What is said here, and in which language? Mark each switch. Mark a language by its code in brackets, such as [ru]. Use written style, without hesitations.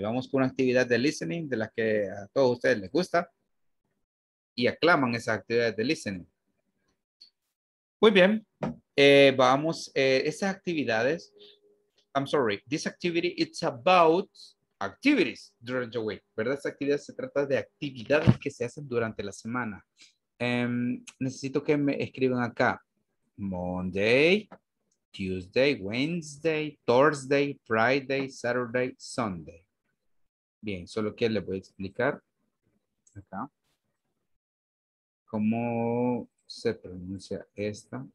[es] Vamos con una actividad de listening de las que a todos ustedes les gusta y aclaman esas actividades de listening. Muy bien, esas actividades, [en] I'm sorry, this activity, it's about activities during the week, ¿verdad? [es] Esa actividad se trata de actividades que se hacen durante la semana. Necesito que me escriban acá. Monday, Tuesday, Wednesday, Thursday, Friday, Saturday, Sunday. Bien, solo que les voy a explicar acá cómo se pronuncia esta.